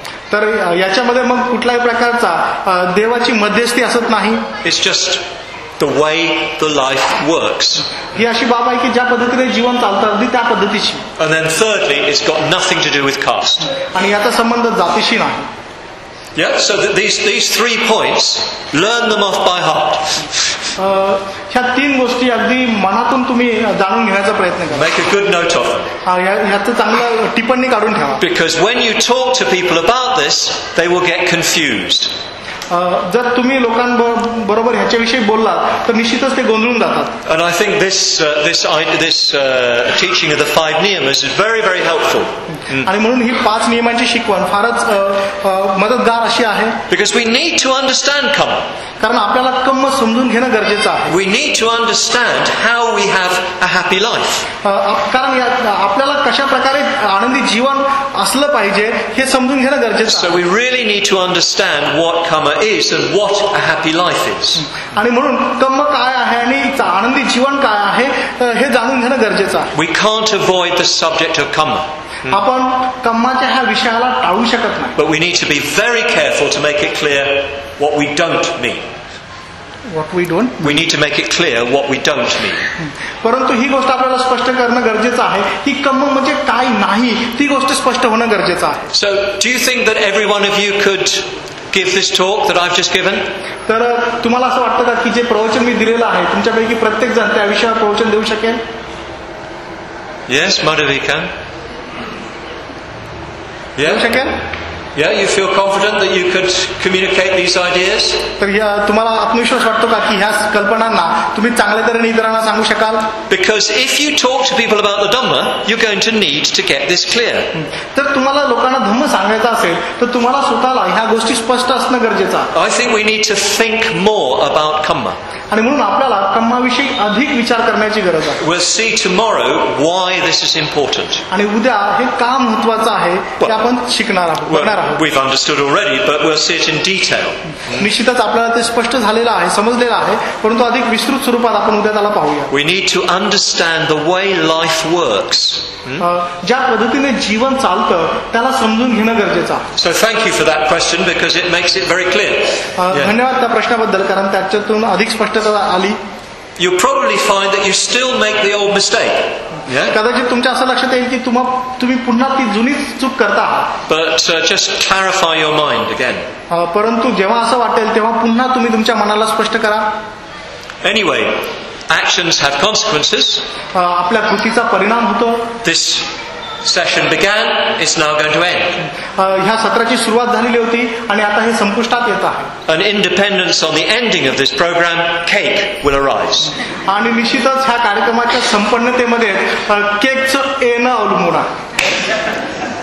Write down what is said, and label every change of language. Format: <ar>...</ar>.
<mr>तर याच्यामध्ये मग कुठल्याही प्रकारचा देवाची मध्यस्थी असत नाही.</mr> <en>It's just the way the life works.</en> <mr>ही अशी बाब आहे की ज्या पद्धतीने जीवन चालतं अगदी त्या पद्धतीची.</mr> <en>And then thirdly, it's got nothing to do with caste.</en> <mr>आणि याचा संबंध जातीशी नाही.</mr> <en>Yeah, so these three points, learn them off by heart.</en> <mr>ह्या तीन गोष्टी अगदी मनातून तुम्ही जाणून घेण्याचा प्रयत्न करा.</mr> <en>Make a good note of them.</en> <mr>ह्याचं चांगलं टिप्पणी काढून ठेवा.</mr> <en>Because when you talk to people about this, they will get confused.</en> <mr>जर तुम्ही लोकांबरोबर ह्याच्याविषयी बोललात तर निश्चितच ते गोंधळून जातात.</mr> <en>And I think this teaching of the five niyamas is very very helpful.</en> <mr>आणि म्हणून ही पाच नियमांची शिकवण फारच मदतगार अशी आहे.</mr> <en>Because we need to understand karma.</en> <mr>कारण आपल्याला कर्म समजून घेणं गरजेचं आहे.</mr> <en>We need to understand how we have a happy life.</en> <mr>कारण आपल्याला कशा प्रकारे आनंदी जीवन असलं पाहिजे हे समजून घेणं गरजेचं.</mr> <en>So we really need to understand what karma is and what a happy life is.</en> <mr>आणि म्हणून कर्म काय आहे आणि आनंदी जीवन काय आहे हे जाणून घेणं गरजेचं आहे.</mr> <en>We can't avoid the subject of karma.</en> <mr>आपण कर्माच्या ह्या विषयाला टाळू शकत नाही.</mr> <en>But we need to be very careful to make it clear what we don't mean. What we don't mean. We need to make it clear what we don't mean.</en> <mr>परंतु ही गोष्ट आपल्याला स्पष्ट करणं गरजेचं आहे की कर्म म्हणजे काय नाही ती गोष्ट स्पष्ट होणं गरजेचं आहे.</mr> <en>So do you think that every one of you could give this talk that I've just given?</en> <mr>तर तुम्हाला असं वाटतं का की जे प्रवचन मी दिलेलं आहे तुमच्यापैकी प्रत्येक जण त्या विषयावर प्रवचन देऊ शकेल?</mr> <en>Yes, Madhavika. Yeah, again. Yeah, you feel confident that you could communicate these ideas?</en> <mr>तर या तुम्हाला आत्मविश्वास वाटतो का की ह्या कल्पनांना तुम्ही चांगल्या तऱ्हेने इतरांना सांगू शकाल?</mr> <en>Because if you talk to people about the Dhamma, you're going to need to get this clear.</en> <mr>तर तुम्हाला लोकांना धम्म सांगायचा असेल तर तुम्हाला स्वतःला ह्या गोष्टी स्पष्ट असणं गरजेचं.</mr> <en>I think we need to think more about karma.</en> <mr>आणि म्हणून आपल्याला कर्माविषयी अधिक विचार करण्याची गरज आहे.</mr> <en>We'll see tomorrow why this is important.</en> <mr>आणि उद्या हे का महत्त्वाचं आहे ते आपण शिकणार आहोत, बघणार आहोत.</mr> <en>We've understood already, but we'll see it in detail.</en> <mr>निश्चितच आपल्याला ते स्पष्ट झालेलं आहे, समजलेलं आहे, परंतु अधिक विस्तृत स्वरूपात आपण उद्या त्याला पाहूया.</mr> <en>We need to understand the way life works.</en> <mr>ज्या पद्धतीने जीवन चालतं त्याला समजून घेणं गरजेचं आहे.</mr> <en>So thank you for that question because it makes it very clear.</en> <mr>धन्यवाद त्या प्रश्नाबद्दल, कारण त्याच्यातून अधिक स्पष्टता आली.</mr> <en>You probably find that you still make the old mistake.</en> <mr>कदाचित तुमच्या असं लक्षात येईल की तुम्ही पुन्हा ती जुनी चूक करता.</mr> <en>But just clarify your mind again.</en> <mr>परंतु जेव्हा असं वाटेल तेव्हा पुन्हा तुम्ही तुमच्या मनाला स्पष्ट करा.</mr> <en>Anyway, actions have consequences.</en> <mr>आपल्या कृतीचा परिणाम होतो.</mr> <en>This session began, it's now going to end.</en> <mr>ह्या सत्राची सुरुवात झालेली होती आणि आता हे संपुष्टात येत आहे.</mr> <en>An independence on the ending of this program, cake will arise.</en> <mr>आणि निश्चितच ह्या कार्यक्रमाच्या संपन्नतेमध्ये केकचं येणं अवलंबून आहे.</mr>